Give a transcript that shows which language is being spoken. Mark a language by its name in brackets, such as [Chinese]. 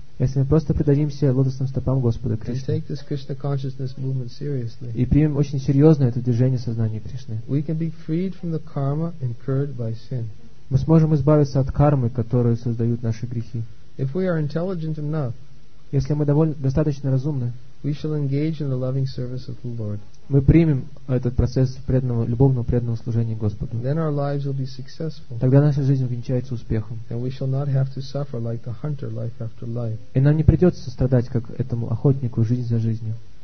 [Russian] Если мы просто предадимся лотосным стопам Господа Кришны и примем очень серьезно это движение сознания Кришны, [English] we can be freed from the karma incurred by sin. [Russian] Мы сможем избавиться от кармы, которую создают наши грехи. [English] If we are intelligent enough, [Russian] если мы достаточно разумны, [English] we shall engage in the loving service of the Lord. [Russian] Мы примем этот процесс преданного, любовного преданного служения Господу. [English] Then our lives will be successful. [Russian] Тогда наша жизнь увенчается успехом. [English] And we shall not have to suffer like the hunter life after life. [Russian] И нам не придется страдать как этому охотнику жизнь за жизнью.